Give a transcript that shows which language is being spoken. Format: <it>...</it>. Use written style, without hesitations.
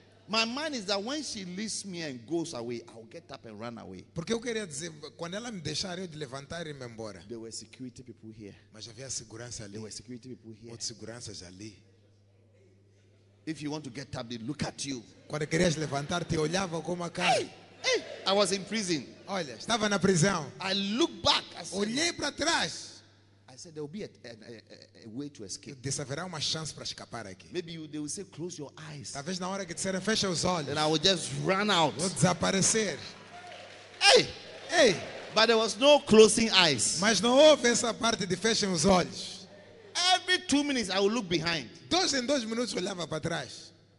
<en>My mind is that when she leaves me and goes away, I'll get up and run away.</en> <pt>Porque eu queria dizer, quando ela me deixar, eu de levantar e me embora.</pt> <en>There were security people here.</en> <pt>Mas havia segurança ali.</pt> <en>There were security people here.</en> <pt>Outras seguranças ali.</pt> <en>If you want to get up, they look at you.</en> <pt>Quando querias levantar, te olhava como a cara.</pt> <en>Hey, I was in prison.</en> <pt>Olha, estava na prisão.</pt> <en>I looked back.</en> <pt>Olhei para trás.</pt> <en>I said, there will be a way to escape.</en> <pt>Disse, haverá uma chance para escapar aqui.</pt> <en>Maybe they will say, close your eyes.</en> <pt>Talvez na hora que disseram, feche os olhos.</pt> <en>And I will just run out.</en> <pt>Vou desaparecer.</pt> <en>Hey. But there was no closing eyes.</en> <pt>Mas não houve essa parte de fechar os olhos.</pt> <en>Every 2 minutes, I will look behind.</en> <pt>Dois em 2 minutos, olhava para trás.</pt>